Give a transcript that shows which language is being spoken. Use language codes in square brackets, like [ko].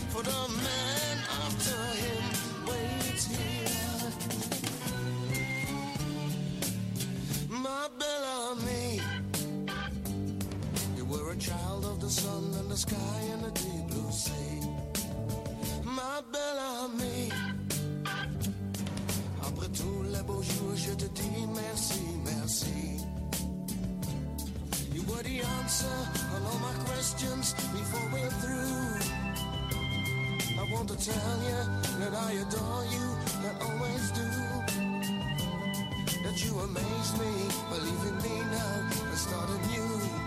[en] For the man after him waits here. My Bellamy, a child of the sun and the sky and the deep blue sea. [fr] My Bellamy, après tous les beaux jours, je te dis merci, merci. [en] You were the answer on all my questions before we're through. I want to tell you that I adore you, I always do. That you amaze me, believe in me now, I start anew.